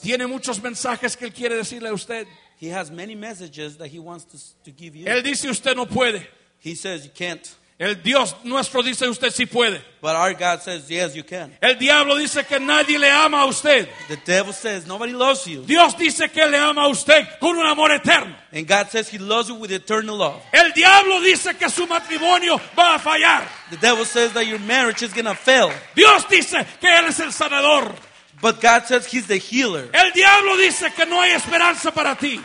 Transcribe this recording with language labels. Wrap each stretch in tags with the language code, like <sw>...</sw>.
<es>Tiene muchos mensajes que él quiere decirle a usted.</es> <en>He has many messages that he wants to give you.</en> <es>Él dice usted no puede.</es> <en>He says you can't.</en> <es>El Dios nuestro dice usted sí puede.</es> <en>But our God says yes you can.</en> <es>El diablo dice que nadie le ama a usted.</es> <en>The devil says nobody loves you.</en> <es>Dios dice que le ama a usted con un amor eterno.</es> <en>And God says he loves you with eternal love.</en> <es>El diablo dice que su matrimonio va a fallar.</es> <en>The devil says that your marriage is going to fail.</en> <es>Dios dice que él es el sanador.</es> <en>But God says he's the healer.</en> <es>El diablo dice que no hay esperanza para ti.</es>